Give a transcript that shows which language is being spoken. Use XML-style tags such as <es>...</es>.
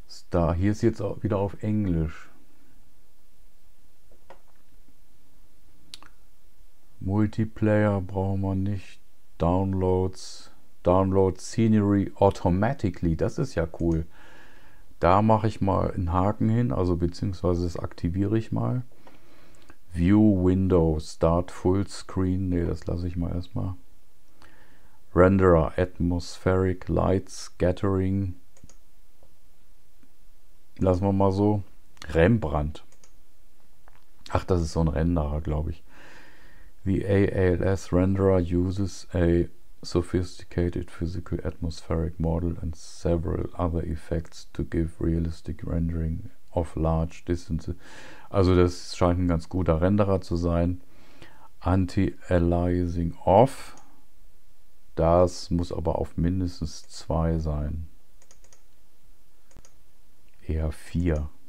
<de>Da, hier ist jetzt auch wieder auf Englisch. Multiplayer brauchen wir nicht.</de> <en>Downloads. Download Scenery automatically.</en> <de>Das ist ja cool. Da mache ich mal einen Haken hin, also beziehungsweise das aktiviere ich mal.</de> <en>View Window, Start Full Screen.</en> <de>Ne, das lasse ich mal erstmal.</de> <en>Renderer, Atmospheric Light Scattering.</en> <de>Lassen wir mal so. Rembrandt. Ach, das ist so ein Renderer, glaube ich.</de> <en>The ALS Renderer uses a sophisticated physical atmospheric model and several other effects to give realistic rendering of large distances.</en> <de>Also das scheint ein ganz guter Renderer zu sein. Anti-Aliasing off. Das muss aber auf mindestens 2 sein. Eher 4.</de>